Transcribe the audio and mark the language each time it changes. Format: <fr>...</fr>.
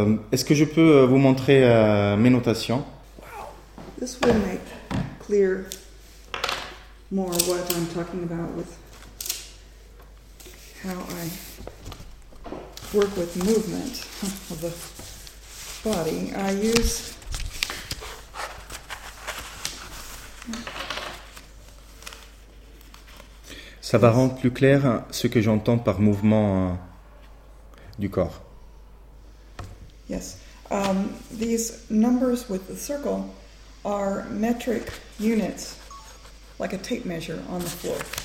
<fr>Est-ce que je peux vous montrer mes notations?</fr> <en>This will make clear more what I'm talking about with how I work with movement of the body.</en> <fr>Ça va rendre plus clair ce que j'entends par mouvement du corps.</fr> <en>Yes. These numbers with the circle are metric units, like a tape measure on the floor.</en>